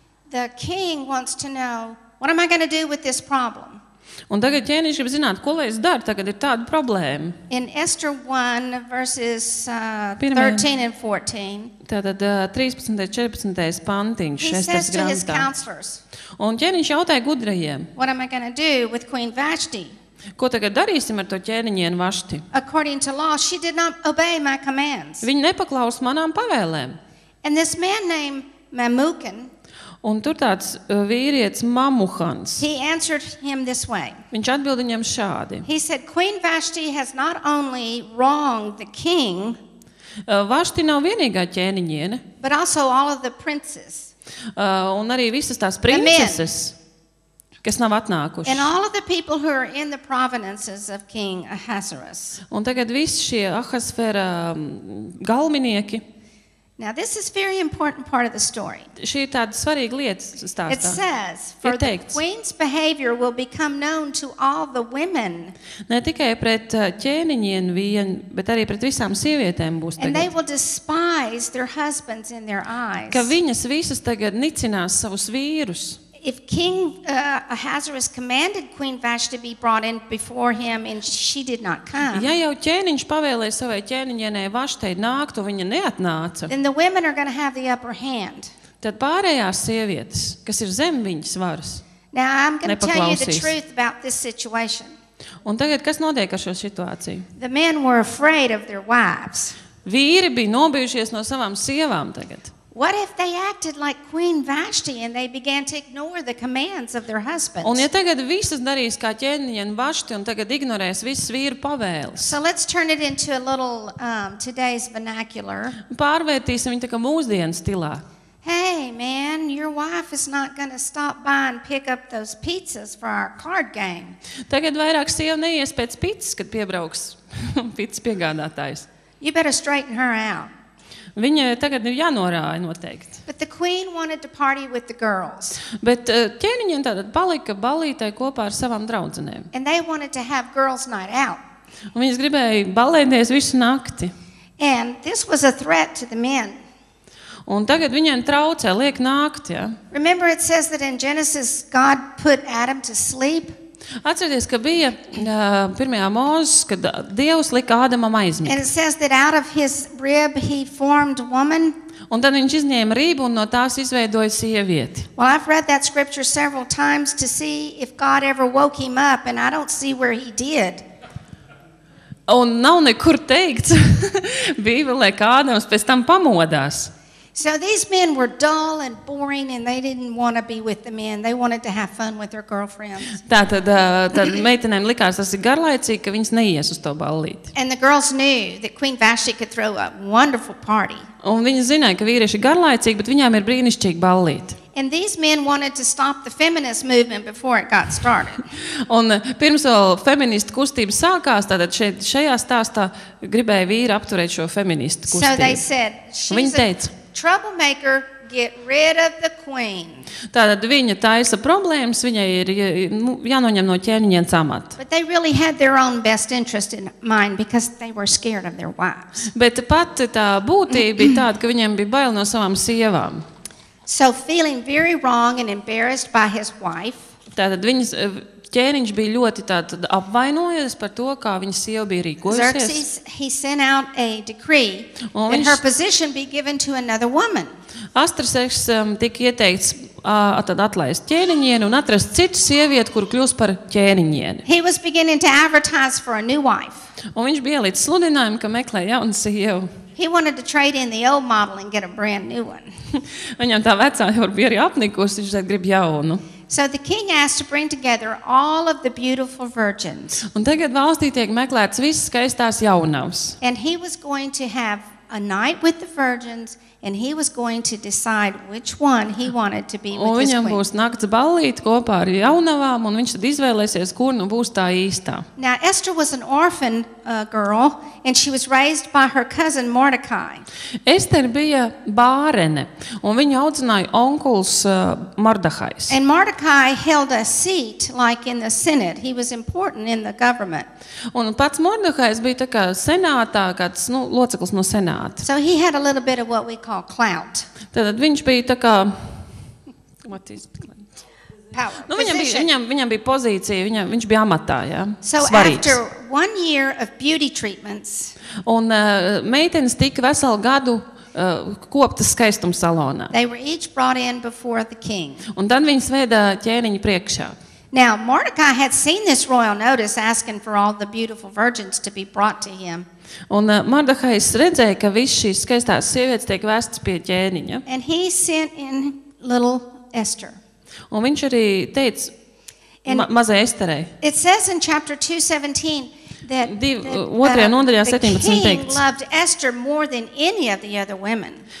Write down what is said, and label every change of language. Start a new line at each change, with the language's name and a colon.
English: The king wants to know, what am I going to do with this problem?
Latvian: Un tagad ķēniņš grib zināt, ko lai es daru, tagad ir tāda problēma.
English: In Esther 1, verses 13 and 14.
Latvian: Tātad 13. 14. pantiņš Esteras grāmatā.
English: He says to his counselors.
Latvian: Un ķēniņš jautāja gudrajiem.
English: What am I going to do with Queen Vashti?
Latvian: Ko tagad darīsim ar to ķēniņienu Vashti?
English: According to law, she did not obey my commands.
Latvian: Viņa nepaklaus manām pavēlēm.
English: And this man named Mamukan.
Latvian: Un tur tāds vīrietis Mamukans.
English: He answered him this way.
Latvian: Viņš atbild viņam šādi.
English: He said, Queen Vashti has not only wronged the king,
Latvian: Vashti nav vienīgā ķēniņiene,
English: but also all of the princes.
Latvian: Un arī visas tās princeses, kas nav atnākušas.
English: And all of the people who are in the provinces of King Ahasuerus.
Latvian: Un tagad visi šie Ahasvera galminieki.
English: Now this is very important part of the story.
Latvian: Šī ir tāda svarīga lieta stāstā.
English: It says, for the queen's behavior will become known to all the women.
Latvian: Ne tikai pret ķēniņienu vien, bet arī pret visām sievietēm būs tagad.
English: And they will despise their husbands in their eyes.
Latvian: Ka viņas visas tagad nicinās savus vīrus.
English: If King Ahasuerus commanded Queen Vashti be brought in before him and she did not come.
Latvian: Ja jau ķēniņš pavēlēja savai ķēniņienei Vaštei nākt, un viņa neatnāca.
English: Then the women are going to have the upper hand.
Latvian: Tad pārējās sievietes, kas ir zem viņas varas.
English: Now I'm going to tell you the truth about this situation.
Latvian: Un tagad kas notiek ar šo situāciju?
English: The men were afraid of their wives.
Latvian: Vīri bija nobijušies no savām sievām tagad.
English: What if they acted like Queen Vashti and they began to ignore the commands of their husbands?
Latvian: Un ja tagad visas darīs kā ķēniņa Vašti un tagad ignorēs visas vīra pavēles.
English: So let's turn it into a little today's vernacular.
Latvian: Pārvērtīsim viņu tā kā mūsdienu stilā.
English: Hey man, your wife is not going to stop by and pick up those pizzas for our card game.
Latvian: Tagad vairāk sieva neies pēc pizzas, kad piebrauks pizzas piegādātājs.
English: You better straighten her out.
Latvian: Viņa tagad ir jānorāja noteikti.
English: But the queen wanted to party with the girls.
Latvian: Bet ķēniņiem tātad palika balītai kopā ar savām draudzenēm.
English: And they wanted to have girls night out.
Latvian: Un viņas gribēja balēties visu nakti.
English: And this was a threat to the men.
Latvian: Un tagad viņiem traucē liek nākt, ja.
English: Remember it says that in Genesis God put Adam to sleep.
Latvian: Atcerieties, ka bija pirmajā Mozes, kad Dievs lika Ādamam aizmigt.
English: And it says that out of his rib he formed woman.
Latvian: Un tad viņš izņēma rību un no tās izveidoja sievieti.
English: Well, I've read that scripture several times to see if God ever woke him up and I don't see where he did.
Latvian: Un nav nekur teikts Bībelē, ka Ādams pēc tam pamodās.
English: So these men were dull and boring and they didn't want to be with the men. They wanted to have fun with their girlfriends.
Latvian: Tad meitenēm likās, tas ir garlaicīgi, ka viņas neies uz to ballīti.
English: And the girls knew that Queen Vashti could throw a wonderful party.
Latvian: Un viņas zināja, ka vīrieši garlaicīgi, bet viņām ir brīnišķīgi ballīti.
English: And these men wanted to stop the feminist movement before it got started.
Latvian: Un pirms vēl feministu kustība sākās, tātad šajā stāstā gribēja vīri apturēt šo feministu kustību.
English: So they said, she's a troublemaker, get rid of the queen.
Latvian: Tātad viņa taisa problēmas, viņai ir jānoņem no ķēniņiem samat.
English: But they really had their own best interest in mind because they were scared of their wives.
Latvian: Bet pat tā būtība bija tāda, ka viņiem bija bail no savām sievām.
English: So feeling very wrong and embarrassed by his wife.
Latvian: Tātad viņas ķēniņš bija ļoti tātad apvainojies par to, kā viņa sieva bija rīkojusies.
English: Xerxes, he sent out a decree that her position be given to another woman.
Latvian: Astraseks tika ieteikts tad atlaist ķēniņienu un atrast citu sievieti, kur kļūs par ķēniņienu.
English: He was beginning to advertise for a new wife.
Latvian: Un viņš bija ielicis sludinājumu, ka meklē jaunu sievu.
English: He wanted to trade in the old model and get a brand new one.
Latvian: Viņam tā vecā jau bija arī apnikusi, viņš tagad grib jaunu.
English: So the king asked to bring together all of the beautiful virgins.
Latvian: Un tagad valstī tiek meklēts visas skaistās jaunavas.
English: And he was going to have a night with the virgins and he was going to decide which one he wanted to be with his queen.
Latvian: Un viņam būs nakts ballīt kopā ar jaunavām un viņš tad izvēlēsies, kur nu būs tā īstā.
English: Now Esther was an orphan girl and she was raised by her cousin Mordecai.
Latvian: Ester bija bārene un viņu audzināja onkuls Mordehais.
English: And Mordecai held a seat like in the Senate. He was important in the government.
Latvian: Un pats Mordehais bija tā kā senātā, kāds, nu, loceklis no senāta.
English: So he had a little bit of what we call clout.
Latvian: Tad viņš bija tā kā
English: what is power.
Latvian: Nu, viņam bija pozīcija, viņš bija amatā, ja.
English: So
Latvian: svarīgs.
English: After one year of beauty treatments.
Latvian: Un meitenes tika veselu gadu koptas skaistuma salonā.
English: They were each brought in before the king.
Latvian: Un tad viņas veda ķēniņa priekšā.
English: Now Mordecai had seen this royal notice asking for all the beautiful virgins to be brought to him.
Latvian: Un Mordehais redzēja, ka visi šīs skaistās sievietes tiek vēstas pie ķēniņa.
English: And he sent in little Esther.
Latvian: Un viņš arī teica mazai Esterai.
English: It says in chapter 2:17 that
Latvian: otrajā nodaļā 17 teikts,
English: he loved Esther more than any of the other women.